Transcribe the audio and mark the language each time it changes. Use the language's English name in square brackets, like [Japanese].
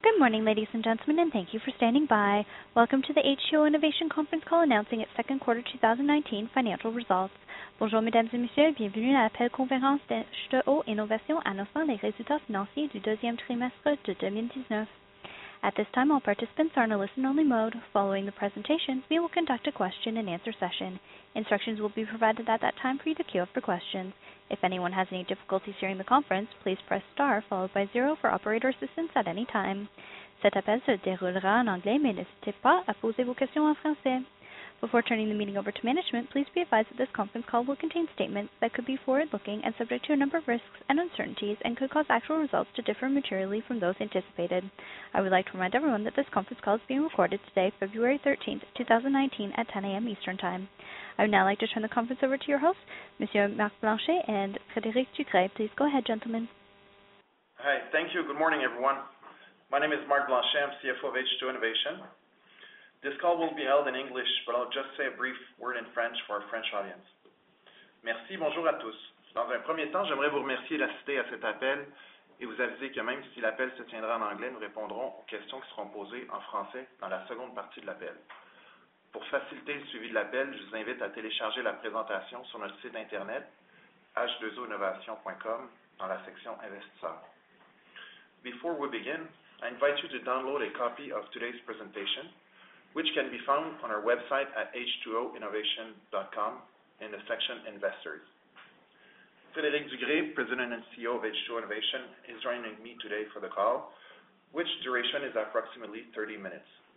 [English] Good morning, ladies and gentlemen, and thank you for standing by. Welcome to the H2O Innovation conference call announcing its second quarter 2019 financial results. [French] Bonjour, mesdames et messieurs, bienvenue à l'appel conférence de H2O Innovation annonçant les résultats financiers du deuxième trimestre de 2019. [English] At this time, all participants are in a listen-only mode. Following the presentation, we will conduct a question-and-answer session. Instructions will be provided at that time for you to queue up for questions. If anyone has any difficulties hearing the conference, please press star followed by zero for operator assistance at any time. [French] Cet appel se déroulera en anglais, mais n'hésitez pas à poser vos questions en français. [English] Before turning the meeting over to management, please be advised that this conference call will contain statements that could be forward-looking and subject to a number of risks and uncertainties and could cause actual results to differ materially from those anticipated. I would like to remind everyone that this conference call is being recorded today, February 13, 2019, at 10 a.m. Eastern Time. I would now like to turn the conference over to your hosts, Monsieur Marc Blanchet and Frédéric Ducret. Please go ahead, gentlemen. Hi, thank you. Good morning, everyone. My name is Marc Blanchet. I'm CFO of H2 Innovation. This call will be held in English, but I'll just say a brief word in French for our French audience. [French] Merci, bonjour à tous. Dans un premier temps, j'aimerais vous remercier d'assister à cet appel et vous aviser que même si l'appel se tiendra en anglais, nous répondrons aux questions qui seront posées en français dans la seconde partie de l'appel. Pour faciliter le suivi de l'appel, je vous invite à télécharger la présentation sur notre site Internet, h2oinnovation.com, dans la section Investisseurs. [English] Before we begin, I invite you to download a copy of today's presentation, which can be found on our website at h2oinnovation.com in the section Investors. Frédéric Ducret, President and CEO of H2O Innovation, is joining me today for the call, which duration is approximately 30 minutes.